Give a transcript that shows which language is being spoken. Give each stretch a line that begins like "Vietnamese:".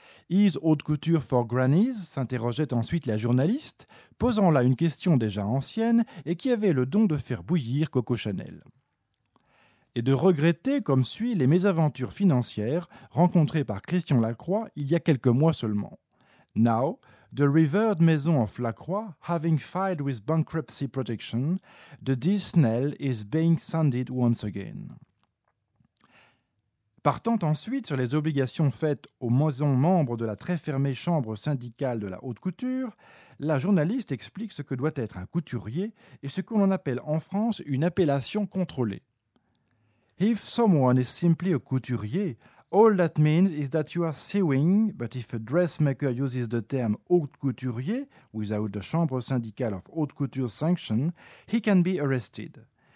English: Is haute couture for grannies,
French: s'interrogeait ensuite la journaliste, posant là une question déjà ancienne et qui avait le don de faire bouillir Coco Chanel. Et de regretter comme suit les mésaventures financières rencontrées par Christian Lacroix il y a quelques mois seulement.
English: Now, the revered maison of Lacroix, having filed with bankruptcy protection, the D-Snell is being sanded once again.
French: Partant ensuite sur les obligations faites aux maisons membres de la très fermée chambre syndicale de la haute couture, la journaliste explique ce que doit être un couturier et ce que l'on appelle en France une appellation contrôlée.
English: If someone is simply a couturier, all that means is that you are sewing, but if a dressmaker uses the term haute couturier without the chambre syndicale of haute couture sanction, he can be arrested.